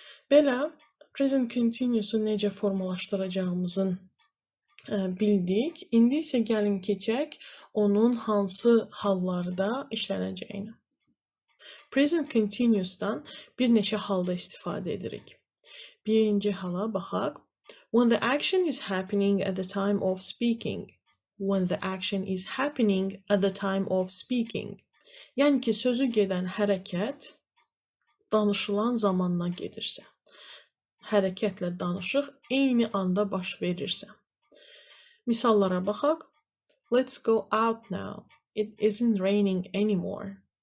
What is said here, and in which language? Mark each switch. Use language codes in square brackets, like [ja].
[az] Belə, present continuous-u necə formalaşdıracağımızın bildik. İndi isə gəlin keçək onun hansı hallarda işlənəcəyini. Present continuous-dan bir neçə halda istifadə edirik. Birinci hala baxaq. [en] When the action is happening at the time of speaking. When the action is happening at the time of speaking. [az] Yəni ki, sözü gedən hərəkət danışılan zamanına gedirsə. Hərəkətlə danışıq eyni anda baş verirsə. Misallara baxaq. [en] Let's go out now. It isn't raining anymore.